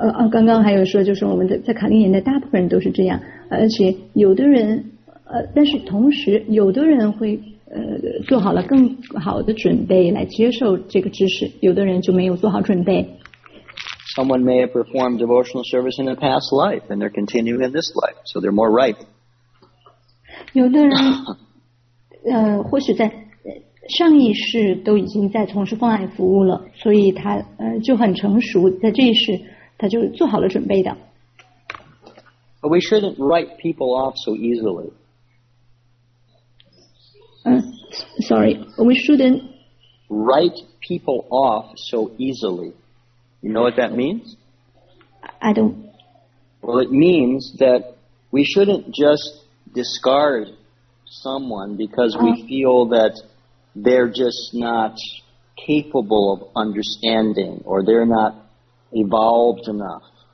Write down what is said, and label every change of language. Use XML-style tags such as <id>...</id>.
<zh>刚刚还有说就是我们的在卡利年代大部分人都是这样，而且有的人但是同时有的人会做好了更好的准备来接受这个知识，有的人就没有做好准备。</zh> <en>Someone may have performed devotional service in a past life, and they're continuing in this life, so they're more ripe.</en> <zh>有的人，或许在上一世都已经在从事奉爱服务了，所以他就很成熟，在这一世他就做好了准备的。</zh> <en>But we shouldn't write people off so easily. Sorry, we shouldn't write people off so easily. You know what that means? I don't. Well, it means that we shouldn't just discard someone because we feel that they're just not capable of understanding or they're not evolved enough.</en>